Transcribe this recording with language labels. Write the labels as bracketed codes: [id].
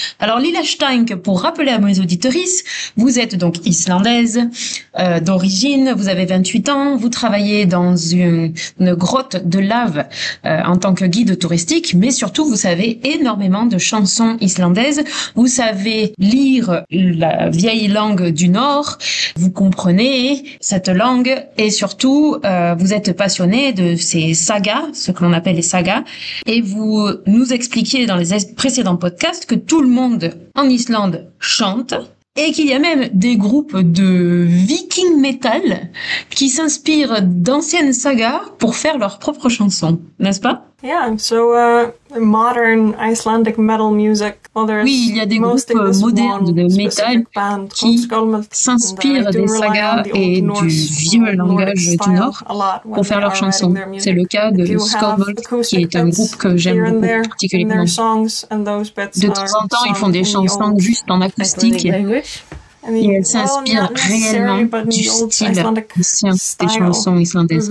[fr] Alors, Lila Steinck, pour rappeler à mes auditrices, vous êtes donc islandaise d'origine, vous avez 28 ans, vous travaillez dans une grotte de lave en tant que guide touristique, mais surtout, vous savez énormément de chansons islandaises, vous savez lire la vieille langue du Nord, vous comprenez cette langue, et surtout, vous êtes passionnée de ces sagas, ce que l'on appelle les sagas, et vous nous expliquiez dans les précédents podcasts que tout le monde en Islande chante et qu'il y a même des groupes de viking metal qui s'inspirent d'anciennes sagas pour faire leurs propres chansons, n'est-ce pas? [en] Yeah, so modern Icelandic metal music. [fr] Oui, il y a des groupes modernes de metal qui s'inspirent des sagas et du vieux langage du Nord pour faire leurs chansons. C'est le cas de Skolmöld, qui est un groupe que j'aime beaucoup particulièrement. De temps en temps, ils font des chansons juste en acoustique et elles s'inspirent réellement du style ancien des chansons islandaises.